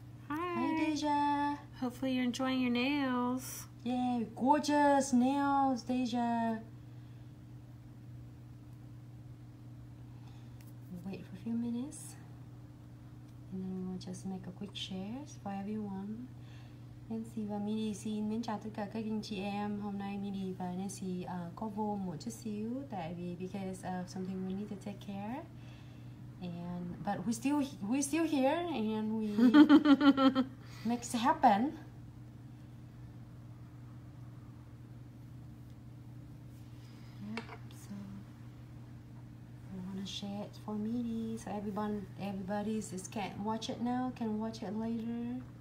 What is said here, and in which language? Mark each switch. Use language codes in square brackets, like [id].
[en] Hi. Hi Deja. Hopefully you're enjoying your nails. Yay, gorgeous nails, Deja. Wait for a few minutes. And then we'll just make a quick share for everyone. [vi] Nancy và Midi xin mến chào tất cả các anh chị em. Hôm nay Midi và Nancy có vô một chút xíu tại vì [en] because of something we need to take care. And but we still here and we make it happen. Yep, so I wanna share it for Midi so everybody can watch it later.